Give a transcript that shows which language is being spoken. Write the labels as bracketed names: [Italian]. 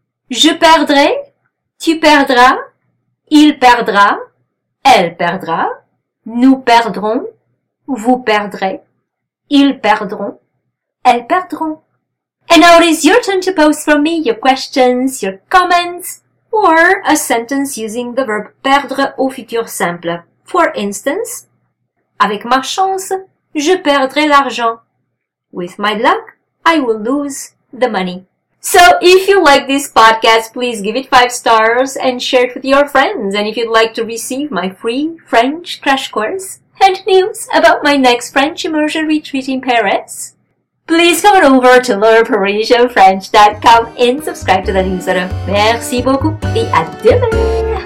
[French] Je perdrai, tu perdras, il perdra, elle perdra, nous perdrons, vous perdrez, ils perdront, elles perdront. [English] And now it is your turn to post for me your questions, your comments, or a sentence using the verb [French] perdre au futur simple. [English] For instance, [French] avec ma chance, je perdrai l'argent. [English] With my luck, I will lose the money. So, if you like this podcast, please give it 5 stars and share it with your friends. And if you'd like to receive my free French crash course and news about my next French immersion retreat in Paris, please come on over to learnparisianfrench.com and subscribe to the newsletter. [French] Merci beaucoup et à demain!